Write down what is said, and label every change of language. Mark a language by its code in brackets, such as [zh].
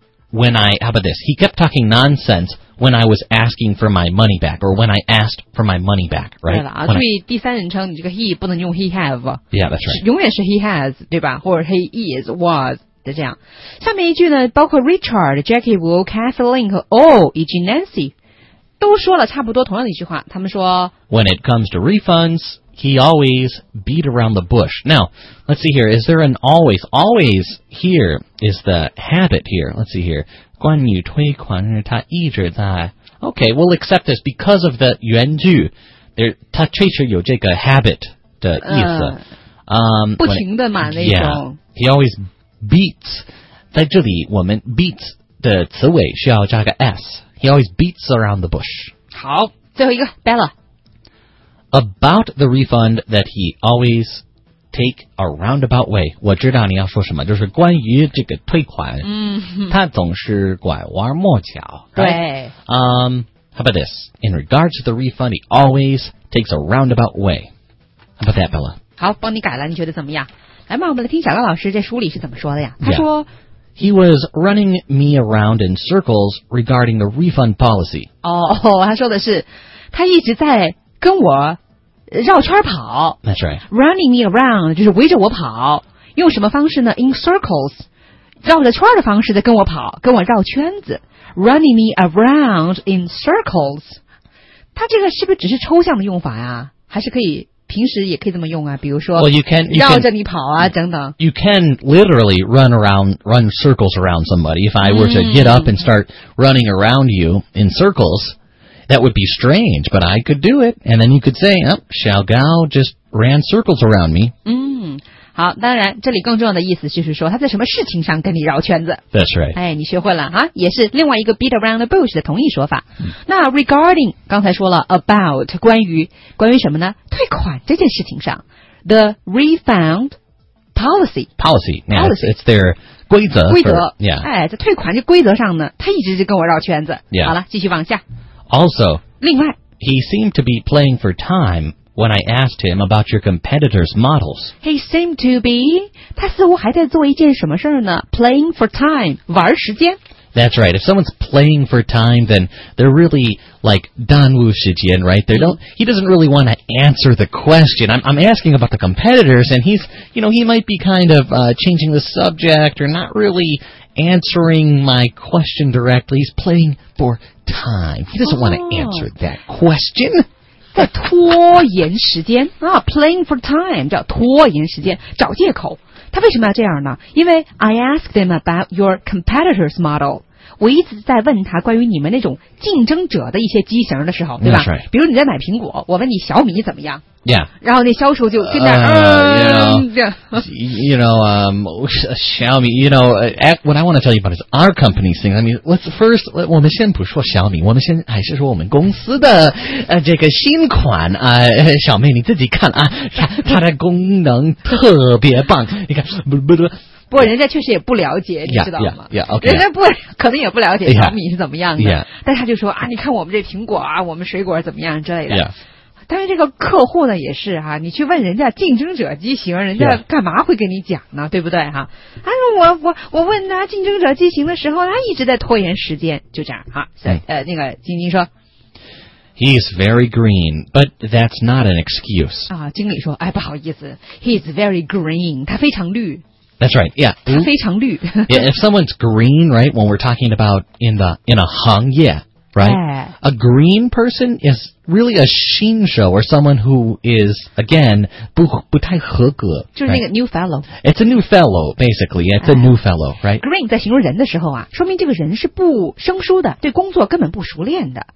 [en] He kept talking nonsense when I was asking for my money back, or when I asked for my money back, right? [zh] 对了啊，注意第三人称，你这个 he 不能用 [en] he have. Yeah, that's right. [zh] 永远是 [en] he has, [zh] 对吧？或者 [en] he is, was. [zh] 这样，下面一句呢，包括 Richard、Jackie、Will、Kathleen 和 All 以及 Nancy。都说了差不多同样的一句话他们说 [en] When it comes to refunds, he always beat around the bush. Now, let's see here, is there an always? Always here is the habit here. Let's see here. [zh] 关于退款他一直在 [en] Okay, we'll accept this because of the [zh] 原句他确实有这个 habit 的意思、不停的嘛 那种 [en] He always beats [zh] 在这里我们 beats 的词尾需要加个 [en] S He always beats around the bush. [zh] 好，最后一个 Bella. [en] About the refund that he always take a roundabout way. [zh] 我知道你要说什么，就是关于这个退款。嗯、他总是拐弯抹角。Right? 对。 [en] How about this? In regards to the refund, he always takes a roundabout way. How about that, Bella? [zh] 好，帮你改了，你觉得怎么样？来嘛，我们来听小高老师在书里是怎么说的呀？ [en] Yeah. [zh] 他说。 [en] He was running me around in circles regarding the refund policy. [zh] 哦、oh, oh, ，他说的是，他一直在跟我绕圈跑。 [en] That's right. [zh] Running me around 就是围着我跑，用什么方式呢 ？ [en] In circles， [zh] 绕着圈的方式在跟我跑，跟我绕圈子。 [en] Running me around in circles， [zh] 他这个是不是只是抽象的用法呀？还是可以平时也可以这么用啊，比如说 [en] well, you can, you [zh] 绕着你跑啊 [en] can, [zh] 等等。 [en] You can literally run around, run circles around somebody. If I were to get up and start running around you in circles, that would be strange, but I could do it. And then you could say, oh, Xiao Gao just ran circles around me. [zh] 好，当然这里更重要的意思就是说他在什么事情上跟你绕圈子。 [en] That's right. [zh] 哎，你学会了啊，也是另外一个 beat around the bush 的同一说法。那 regarding 刚才说了 about 关于什么呢？退款这件事情上 [en] the refund policy. Policy. Yeah, policy. It's their 规则。 [zh] 规则。 [en] Yeah. [zh] 哎，在退款这规则上呢他一直就跟我绕圈子。 [en] Yeah. [zh] 好了继续往下。 [en] Also, [zh] 另外 [en] he seemed to be playing for time. When I asked him about your competitors' models. He seemed to be, [zh] 他似乎还在做一件什么事呢? [en] Playing for time, [zh] 玩时间。 [en] That's right. If someone's playing for time, then they're really like [zh] 耽误时间, [en] right? He doesn't really want to answer the question. I'm asking about the competitors, and he's, you know, he might be kind of changing the subject or not really answering my question directly. He's playing for time. He doesn't want to answer that question. [zh] 在拖延时间啊 ， [en] playing for time [zh] 叫拖延时间，找借口。他为什么要这样呢？因为 [en] I asked him about your competitor's model. [zh] 我一直在问他关于你们那种竞争者的一些机型的时候，对吧？ [en] That's right. [zh] 比如你在买苹果，我问你小米怎么样？ [en] Yeah. [zh] 然后那销售就跟那 [en] Xiaomi. You know, what I want to tell you about is our company's thing. I mean, [zh] 我们先不说小米，我们先还是说我们公司的这个新款啊，小妹你自己看啊，它的功能特别棒。你看，不，人家确实也不了解，你知道吗？ [en] Yeah, okay. [zh] 人家不可能也不了解小米是怎么样的， [en] yeah. [zh] 但他就说啊，你看我们这苹果啊，我们水果怎么样之类的。 [en] Yeah. [zh] 但是这个客户呢也是哈、啊，你去问人家竞争者机型，人家干嘛会跟你讲呢？ [en] Yeah. [zh] 对不对哈、啊？他说我问他竞争者机型的时候，他一直在拖延时间，就这样哈、啊。所以、那个晶晶说 [en] ，He is very green, but that's not an excuse. [zh] 啊，经理说，哎，不好意思 ， [en] He is very green. [zh] 他非常绿。 [en] That's right. Yeah. [zh] 他非常绿。 [en] Yeah, if someone's green, right? When we're talking about in a 行业。Right? A green person is really a 新手 or someone who is, again, [zh] 不太合格。就是那个 [en] new fellow. It's a new fellow, basically. It's a new fellow, right? [zh] Green 在形容人的时候啊，说明这个人是不生疏的，对工作根本不熟练的。